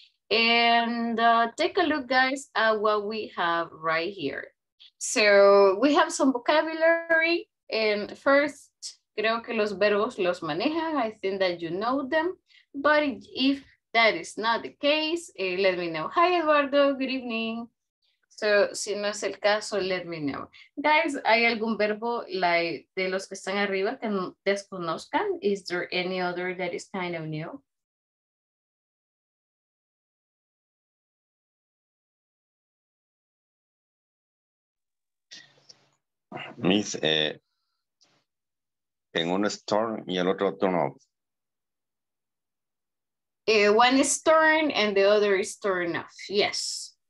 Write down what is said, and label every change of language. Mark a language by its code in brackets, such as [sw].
[en] And take a look, guys, at what we have right here. So we have some vocabulary. And first, [es] creo que los verbos los manejan. [en] I think that you know them. But if that is not the case, let me know. Hi, Eduardo. Good evening. So, [es] si no es el caso, [en] let me know. [es] Guys, ¿hay algún verbo [en] like [es] de los que están arriba que desconozcan? [en] Is there any other that is kind of new? [es] Miss, en uno es [en] turn [es] y el otro turn off. [en] One is turn and the other is turn off, yes.